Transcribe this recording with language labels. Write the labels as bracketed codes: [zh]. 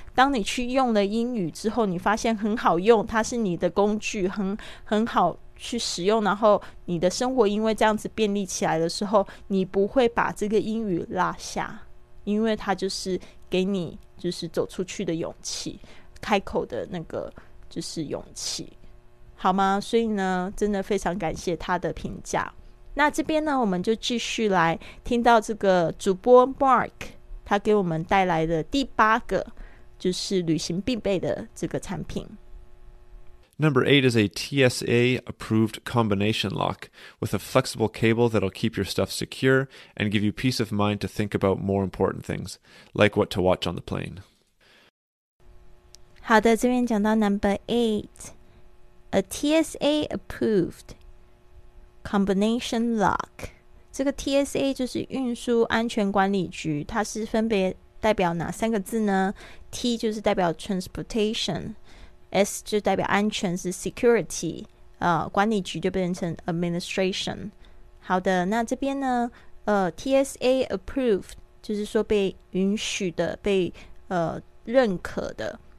[zh] 当你去用了英语之后，你发现很好用，它是你的工具，很好去使用，然后你的生活因为这样子便利起来的时候，你不会把这个英语落下，因为它就是给你就是走出去的勇气，开口的那个就是勇气，好吗？所以呢真的非常感谢他的评价。那这边呢我们就继续来听到这个主播 Mark 他给我们带来的第八个就是旅行必备的这个产品。 [en] Number 8 is a TSA-approved combination lock with a flexible cable that'll keep your stuff secure and give you peace of mind to think about more important things, like what to watch on the plane. [zh] 好的，这边讲到 [en] Number 8, a TSA-approved combination lock. [zh] 这个 TSA 就是运输安全管理局，它是分别代表哪三个字呢？ T 就是代表 transportation,S 就代表安全，是 security、管理局就变成 administration。好的，那这边呢TSA approved 就是说被允许的，被认可的。